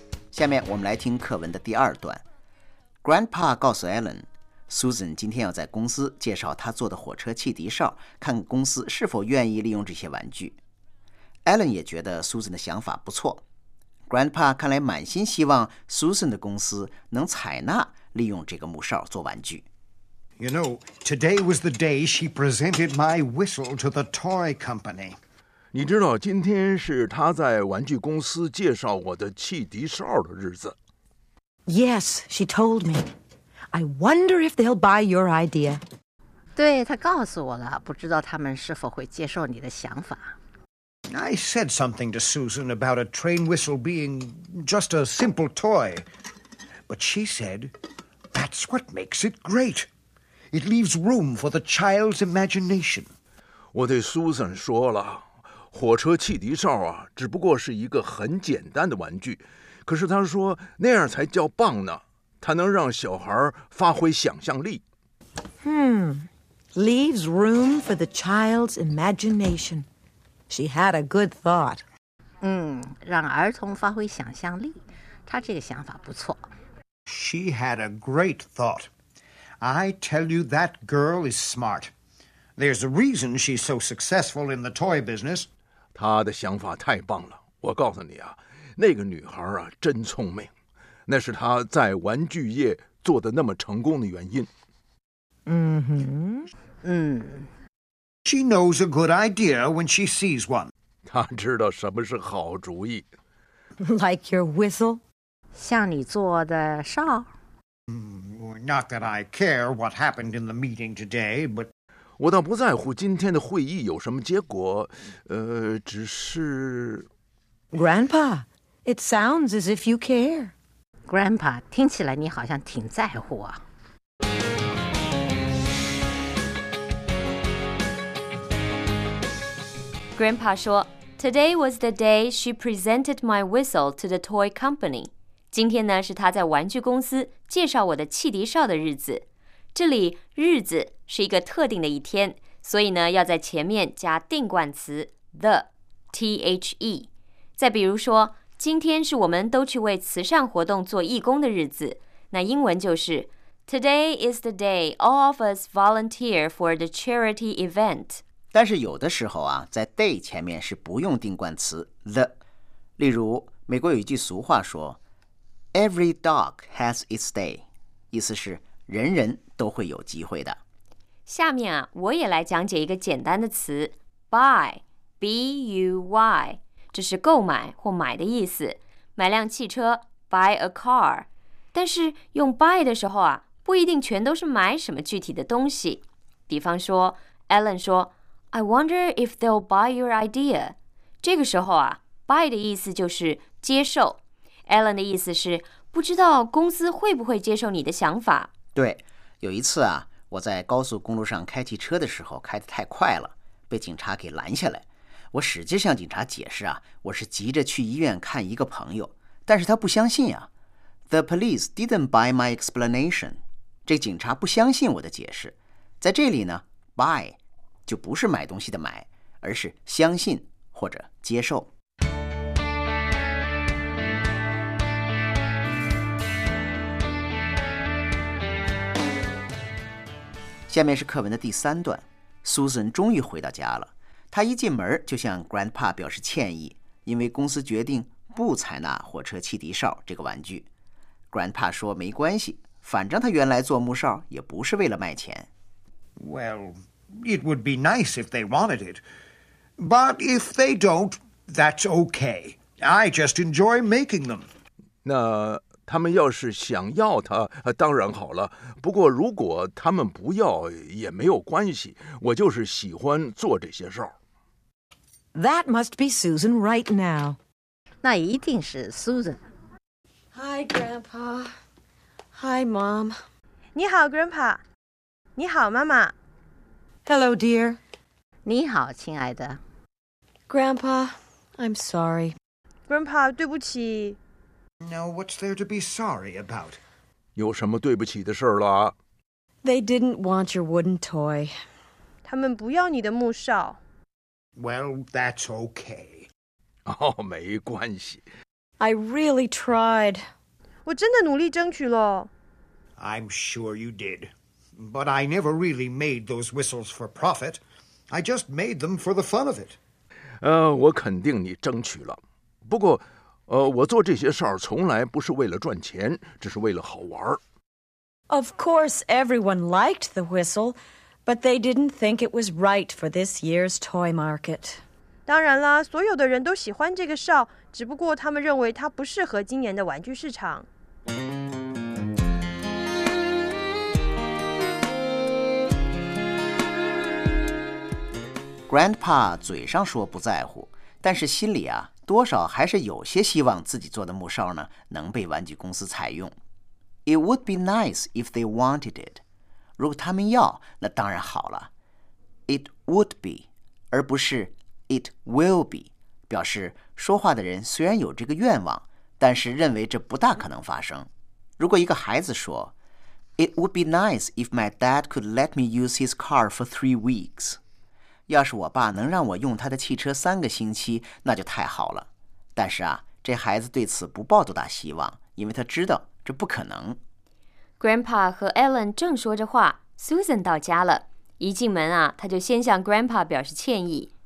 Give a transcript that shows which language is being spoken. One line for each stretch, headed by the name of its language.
Chinese: 下面我们来听课文的第二段。Grandpa 告诉 Ellen, Susan 今天要在公司介绍她做的火车汽笛哨，看公司是否愿意利用这些玩具。 Ellen 也觉得 Susan 的想法不错。Grandpa 看来满心希望 Susan 的公司能采纳利用这个木哨做玩具。
English: You know, today was the day she presented my whistle to the toy company.
Chinese: 你知道今天是他在玩具公司介绍我的汽笛哨的日子。
English: Yes, she told me. I wonder if they'll buy your idea.
Chinese: 对，他告诉我了，不知道他们是否会接受你的想法。
English: I said something to Susan about a train whistle being just a simple toy. But she said, that's what makes it great. It leaves room for the child's imagination.
Chinese: 我对 Susan 说了，火车汽笛哨啊，只不过是一个很简单的玩具。可是她说那样才叫棒呢，它能让小孩发挥想象力。
English: Leaves room for the child's imagination. She had a good thought.
Chinese: 让儿童发挥想象力，她这个想法不错。
English: She had a great thought. I tell you, that girl is smart. There's a reason she's so successful in the toy business.
Chinese: 她的想法太棒了。我告诉你啊，那个女孩啊，真聪明。那是她在玩具业做得那么成功的原因。
English: She knows a good idea when she sees one.
Chinese: 她知道什么是好主意。
English: Like your whistle?
Chinese: 像你做的哨。
English: Not that I care what happened in the meeting today, but...
Chinese: 我倒不在乎今天的会议有什么结果，只是...
English: Grandpa, it sounds as if you care.
Chinese: Grandpa, 听起来你好像挺在乎啊。
English: Grandpa
Chinese: 说
English: ,Today was the day she presented my whistle to the toy company.
Chinese: 今天呢是她在玩具公司介绍我的汽笛哨的日子。这里日子是一个特定的一天，所以呢要在前面加定冠词 the,T-H-E。再比如说今天是我们都去为慈善活动做义工的日子，那英文就是 ,
English: Today is the day all of us volunteer for the charity event.
Chinese: 但是有的时候啊，在 day 前面是不用定冠词 the。例如，美国有一句俗话说 ，
English: Every dog has its day，
Chinese: 意思是人人都会有机会的。下面啊，我也来讲解一个简单的词 ，buy， b u y， 这是购买或买的意思。买辆汽车 ，
English: buy a car。
Chinese: 但是用 buy 的时候啊，不一定全都是买什么具体的东西。比方说 ，Alan 说。
English: I wonder if they'll buy your idea.
Chinese: 这个时候啊 ,buy 的意思就是接受。 Alan 的意思是不知道公司会不会接受你的想法。对，有一次啊，我在高速公路上开汽车的时候开得太快了，被警察给拦下来。我使劲向警察解释啊，我是急着去医院看一个朋友，但是他不相信啊。
English: The police didn't buy my explanation.
Chinese: 这警察不相信我的解释。在这里呢 ,buy,就不是买东西的买，而是相信或者接受。下面是课文的第三段， Susan 终于回到家了，她一进门就向 Grandpa 表示歉意，因为公司决定不采纳火车汽笛哨这个玩具。 Grandpa 说没关系，反正他原来做木哨也不是为了卖钱。
English: Well... It would be nice if they wanted it. But if they don't, that's okay. I just enjoy making them.
Chinese: 那他们要是想要它，当然好了。不过如果他们不要，也没有关系。我就是喜欢做这些事儿。
English: That must be Susan right now.
Chinese: 那一定是 Susan.
English: Hi, Grandpa. Hi, Mom.
Chinese: 你好 ,Grandpa. 你好妈妈。
English: Hello, dear.
Chinese: 你好，亲爱的。
English: Grandpa, I'm sorry.
Chinese: Grandpa, 对不起。
English: No, what's there to be sorry about?
Chinese: 有什么对不起的事儿了？
English: They didn't want your wooden toy.
Chinese: 他们不要你的木哨。
English: Well, that's okay.
Chinese: 哦，没关系。
English: I really tried.
Chinese: 我真的努力争取了。
English: I'm sure you did. But I never really made those whistles for profit. I just made them for the fun of it.
Chinese: 我肯定你争取了。不过，我做这些哨从来不是为了赚钱，只是为了好玩。
English: Of course, everyone liked the whistle, but they didn't think it was right for this year's toy market.
Chinese: 当然啦，所有的人都喜欢这个哨，只不过他们认为它不适合今年的玩具市场。 Grandpa 嘴上说不在乎，但是心里啊，多少还是有些希望自己做的木哨呢，能被玩具公司采用。
English: It would be nice if they wanted it.
Chinese: 如果他们要，那当然好了。
English: It would be,
Chinese: 而不是
English: it will be,
Chinese: 表示说话的人虽然有这个愿望，但是认为这不大可能发生。如果一个孩子说
English: It would be nice if my dad could let me use his car for 3 weeks.
Chinese: 要是我爸能让我用他的汽车3个星期，那就太好了。但是啊，这孩子对此不抱多大希望，因为他知道这不可能。 Grandpa 和 Ellen 正说着话， Susan 到家了。一进门啊，他就先向 Grandpa 表示歉意。